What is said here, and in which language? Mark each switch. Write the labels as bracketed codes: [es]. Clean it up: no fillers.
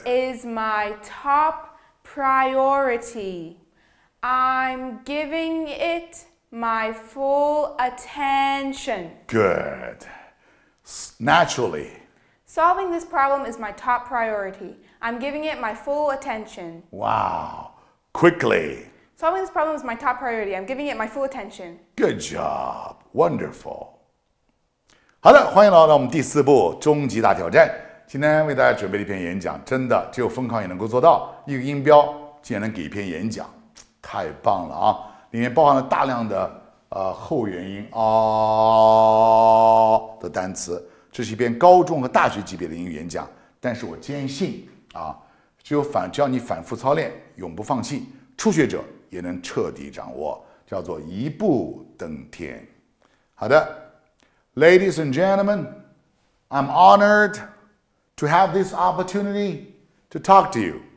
[en] is my top priority I'm giving itMy full attention. Good. Naturally. Solving this problem is my top priority. I'm giving it my full attention. Wow. Quickly. Solving this problem is my top priority. I'm giving it my full attention. Good job. Wonderful. [zh] 好的，欢迎来到我们第四部终极大挑战。今天为大家准备了一篇演讲，真的只有疯狂也能够做到，一个音标竟然能给一篇演讲，太棒了啊！里面包含了大量的后元音啊、哦、的单词，这是一篇高中和大学级别的英语演讲。但是我坚信啊，只要你反复操练，永不放弃，初学者也能彻底掌握，叫做一步登天。好的 [en] ，Ladies and gentlemen, I'm honored to have this opportunity to talk to you。